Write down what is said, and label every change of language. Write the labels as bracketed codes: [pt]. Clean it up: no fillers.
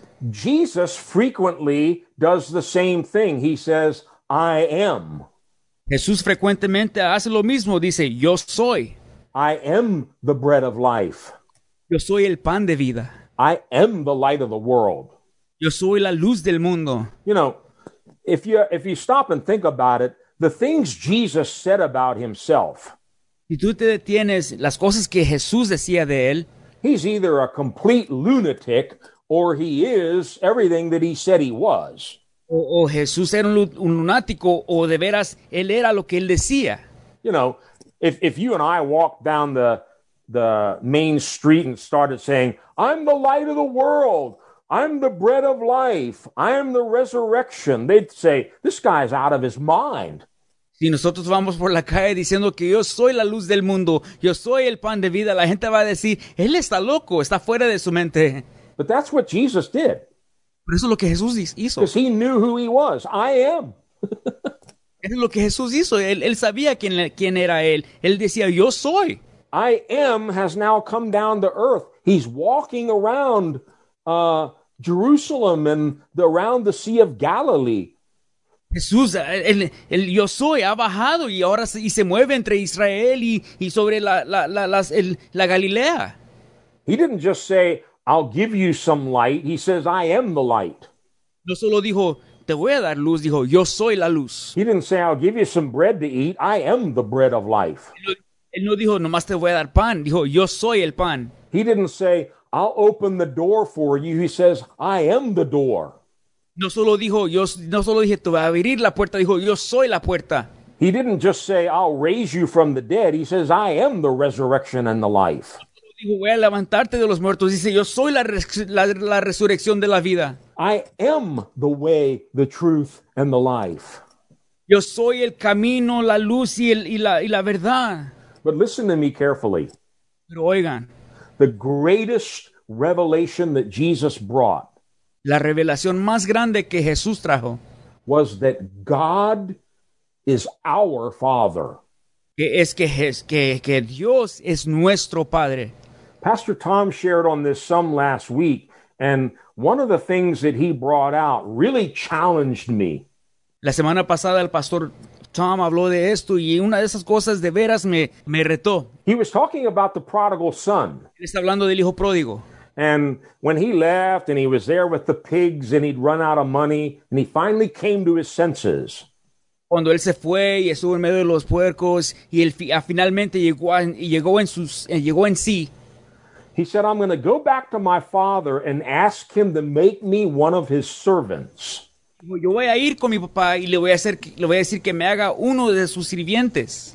[en] Jesus frequently does the same thing. He says, I am. [es] Jesús frecuentemente hace lo mismo. Dice, yo soy. [en] I am the bread of life. [es] Yo soy el pan de vida. [en] I am the light of the world. [es] Yo soy la luz del mundo. [en] You know, if you stop and think about it, the things Jesus said about himself. [es] Si tú te detienes, las cosas que Jesús decía de él. [en] He's either a complete lunatic or he is everything that he said he was. [es] O Jesús era un lunático o de veras él era lo que él decía. [en] You know, if you and I walked down the main street and started saying, "I'm the light of the world. I'm the bread of life. I am the resurrection." They'd say, "This guy's out of his mind." [es] Si nosotros vamos por la calle diciendo que yo soy la luz del mundo, yo soy el pan de vida, la gente va a decir, él está loco, está fuera de su mente. [en] But that's what Jesus did. [es] Pero eso es lo que Jesús hizo. [en] Because he knew who he was. I am. [es] Eso es lo que Jesús hizo. Él sabía quién era él. Él decía, yo soy. [en] I am has now come down to earth. He's walking around Jerusalem and around the Sea of Galilee. [es] Jesús, el yo soy ha bajado y ahora se mueve entre Israel y sobre la Galilea. [en] He didn't just say, "I'll give you some light." He says, "I am the light." [es] No solo dijo, te voy a dar luz, dijo, yo soy la luz. [en] He didn't say, I'll give you some bread to eat. I am the bread of life. [es] Él no dijo, nomás te voy a dar pan. Dijo, yo soy el pan. [en] He didn't say, I'll open the door for you. He says, I am the door. [es] No solo dijo, no solo dije, te voy a abrir la puerta. Dijo, yo soy la puerta. [en] He didn't just say, I'll raise you from the dead. He says, I am the resurrection and the life. [es] Dijo, voy a levantarte de los muertos. Dice, yo soy la resurrección de la vida. [en] I am the way, the truth, and the life. [es] Yo soy el camino, la luz y la verdad. [en] But listen to me carefully. [es] Pero oigan. [en] The greatest revelation that Jesus brought. [es] La revelación más grande que Jesús trajo. [en] Was that God is our Father. [es] Que Dios es nuestro Padre. [en] Pastor Tom shared on this some last week, and one of the things that he brought out really challenged me. [es] La semana pasada el pastor Tom habló de esto y una de esas cosas de veras me retó. [en] He was talking about the prodigal son. [es] Él está hablando del hijo pródigo. [en] And when he left and he was there with the pigs and he'd run out of money and he finally came to his senses. [es] Cuando él se fue y estuvo en medio de los puercos y él finalmente llegó en sí. [en] He said, I'm going to go back to my father and ask him to make me one of his servants. [es] Yo voy a ir con mi papá y le voy a decir que me haga uno de sus sirvientes.